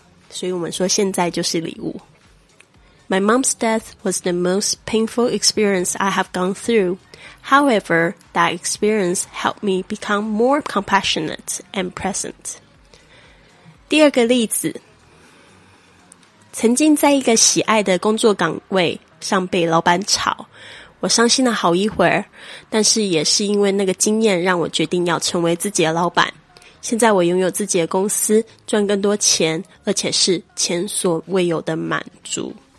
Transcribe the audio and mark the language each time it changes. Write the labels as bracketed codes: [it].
[zh] 所以我们说现在就是礼物。 [en] My mom's death was the most painful experience I have gone through. However, that experience helped me become more compassionate and present. [zh] 第二个例子，曾经在一个喜爱的工作岗位上被老板炒，我伤心了好一会儿，但是也是因为那个经验让我决定要成为自己的老板。现在我拥有自己的公司，赚更多钱，而且是前所未有的满足。